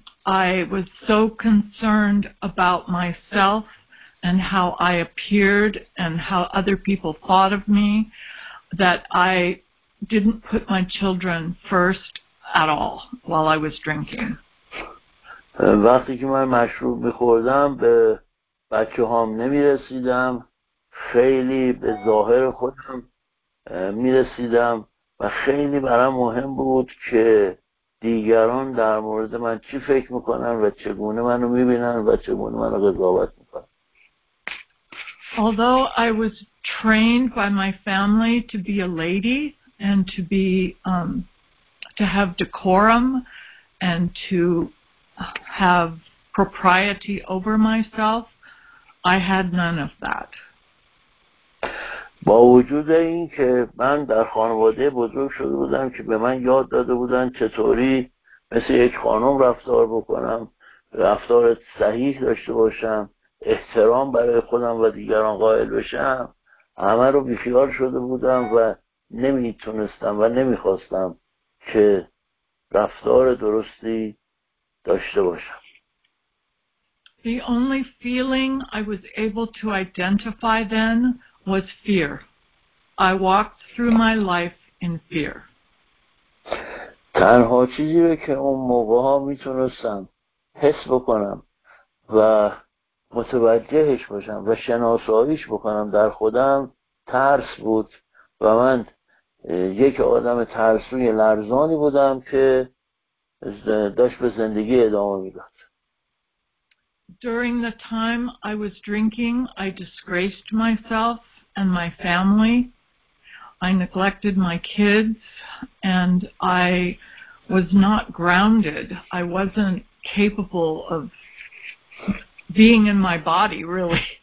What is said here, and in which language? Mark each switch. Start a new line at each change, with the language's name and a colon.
English: I was so concerned about myself and how I appeared and how other people thought of me that I didn't put my children first at all while I was drinking.
Persian: وقتی که من مشروب می‌خوردم به بچه‌هام نمی‌رسیدم، خیلی به ظاهر خودم می‌رسیدم و خیلی برام مهم بود که دیگران در مورد من چی فکر میکنن و چگونه منو میبینن و چگونه منو قضاوت میکنن.
English: Although I was trained by my family to be a lady and to be to have decorum and to have propriety over myself, I had none of that.
Persian: با وجود این که من در خانواده بزرگ شده بودم که به من یاد داده بودن چطوری مثل یک خانم رفتار بکنم، رفتار صحیح داشته باشم، احترام برای خودم و دیگران قائل بشم، همه رو بیخیال شده بودم و نمیتونستم و نمیخواستم که رفتار درستی داشته باشم.
English: The only feeling I was able to identify then was fear. I walked through my life in fear.
Persian: تنها چیزی که اون موقع ها میتونستم حس بکنم و متوجهش باشم و شناساییش بکنم در خودم ترس بود و من یک آدم ترسوی لرزانی بودم که داشت به زندگی ادامه میداد.
English: During the time I was drinking, I disgraced myself and my family. I neglected my kids and I was not grounded. I wasn't capable of being in my body, really.